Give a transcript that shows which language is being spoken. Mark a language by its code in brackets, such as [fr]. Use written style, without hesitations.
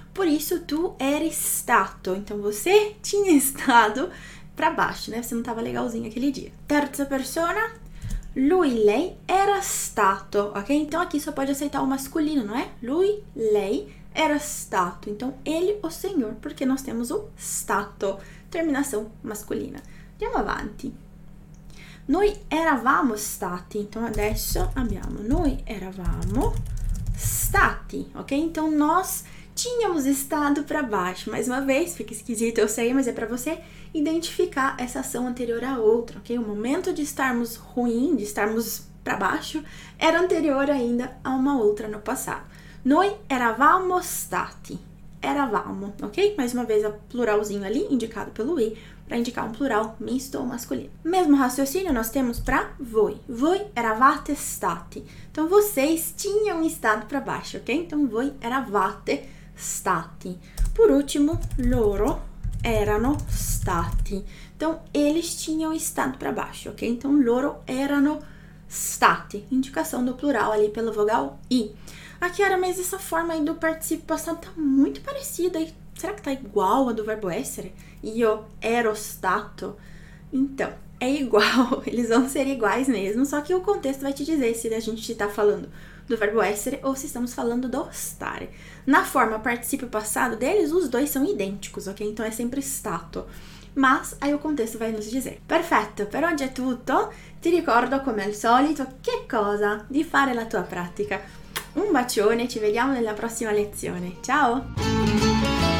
[pt] Por isso, [it] tu eri stato, [pt] então você tinha estado para baixo, né? Você não estava legalzinho aquele dia. [it] Terza persona, lui, lei, era stato, ok? [pt] Então aqui só pode aceitar o masculino, não é? [it] Lui, lei, era stato, [pt] então ele, o senhor, porque nós temos o stato, terminação masculina. [it] Andiamo avanti. Noi eravamo stati, então adesso abbiamo noi eravamo stati, ok? [pt] Então nós tínhamos estado para baixo, mais uma vez, fica esquisito, eu sei, mas é para você identificar essa ação anterior à outra, ok? O momento de estarmos ruim, de estarmos para baixo, era anterior ainda a uma outra no passado. [it] Noi eravamo stati, eravamo, ok? [pt] Mais uma vez, o pluralzinho ali, indicado pelo i, para indicar um plural misto ou masculino. Mesmo raciocínio, nós temos para voi. [it] Voi eravate stati. [pt] Então, vocês tinham estado para baixo, ok? [it] Então, voi eravate stati. [pt] Por último, [it] loro erano stati. [pt] Então, eles tinham estado para baixo, ok? Então, [it] loro erano stati. [pt] Indicação do plural ali pela vogal i. Aqui era, mas essa forma aí do participio passado tá muito parecida. Será que tá igual a do verbo essere? [it] Io ero stato. [pt] Então, é igual. Eles vão ser iguais mesmo. Só que o contexto vai te dizer se a gente tá falando do verbo essere ou se estamos falando do stare. Na forma participio passado deles, os dois são idênticos, ok? Então é sempre stato. Mas aí o contexto vai nos dizer. [it] Perfetto, per oggi è tutto. Ti ricordo, come al solito, che cosa? Di fare la tua pratica. Un bacione, ci vediamo nella prossima lezione. Ciao!